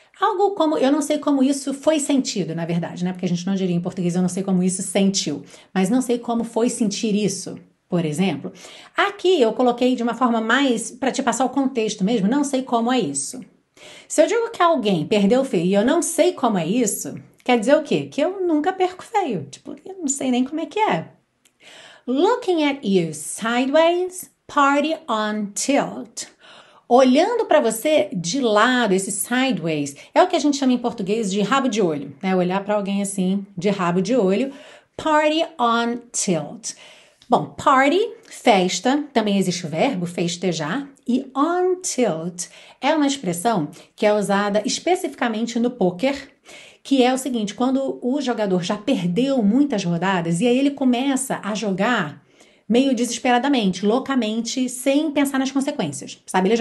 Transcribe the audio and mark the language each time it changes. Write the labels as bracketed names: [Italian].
[Portuguese] Algo como, eu não sei como isso foi sentido, na verdade, né? Porque a gente não diria em português, eu não sei como isso sentiu, mas não sei como foi sentir isso. Por exemplo, aqui eu coloquei de uma forma mais para te passar o contexto mesmo, não sei como é isso. Se eu digo que alguém perdeu feio e eu não sei como é isso, quer dizer o quê? Que eu nunca perco feio. Tipo, eu não sei nem como é que é. [English] Looking at you sideways, party on tilt. [Portuguese] Olhando para você de lado, esse sideways, é o que a gente chama em português de rabo de olho, né? Olhar para alguém assim, de rabo de olho. [English] Party on tilt. [Portuguese] Bom, party, festa, também existe o verbo festejar. E on tilt é uma expressão que é usada especificamente no poker, que é o seguinte: quando o jogador já perdeu muitas rodadas e aí ele começa a jogar meio desesperadamente, loucamente, sem pensar nas consequências, sabe?